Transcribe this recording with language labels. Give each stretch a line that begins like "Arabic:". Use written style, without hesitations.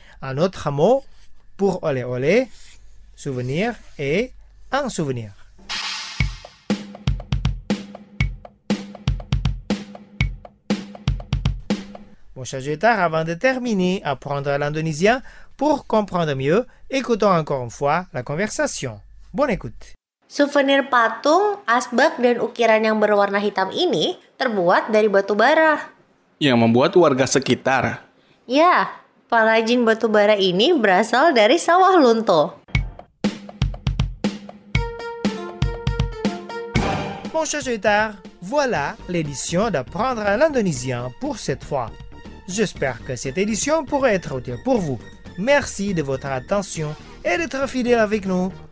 French: Un autre mot pour oleh-oleh, souvenir, est un souvenir. Bon, chers auditeurs, avant de terminer, apprendre l'indonésien pour comprendre mieux, écoutons encore une fois la conversation. Bonne écoute.
Indonesian: Souvenir patung, asbak, dan ukiran yang berwarna hitam ini terbuat dari batu bara. Yang membuat warga sekitar. Ya, pengrajin batu bara ini berasal dari sawah Lunto.
French: Mon cher auditeur, voilà l'édition d'apprendre l'indonésien pour cette fois. J'espère que cette édition pourrait être utile pour vous. Merci de votre attention et d'être fidèle avec nous.